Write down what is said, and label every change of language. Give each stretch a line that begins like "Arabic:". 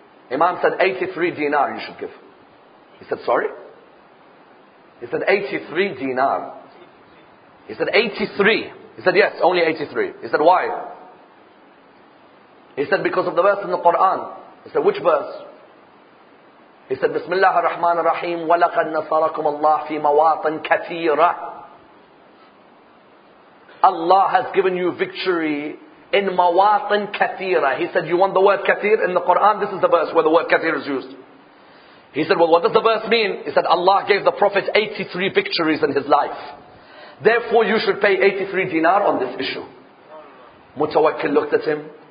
English: Imam said, 83 dinar you should give. He said, sorry? He said, 83 dinar. He said, 83. He said, yes, only 83. He said, why? He said, because of the verse in the Quran. He said, which verse? He said,
Arabic: Bismillah ar-Rahman ar-Rahim, وَلَقَدْ نَصَرَكُمَ اللَّهِ فِي مَوَاطٍ كَثِيرًا.
English: Allah has given you victory in
Arabic: مَوَاطٍ كَثِيرًا.
English: He said, you want the word kathir in the Quran? This is the verse where the word kathir is used. He said, well, what does the verse mean? He said, Allah gave the Prophet 83 victories in his life. Therefore, you should pay 83 dinar on this issue. Mutawakkil looked at him.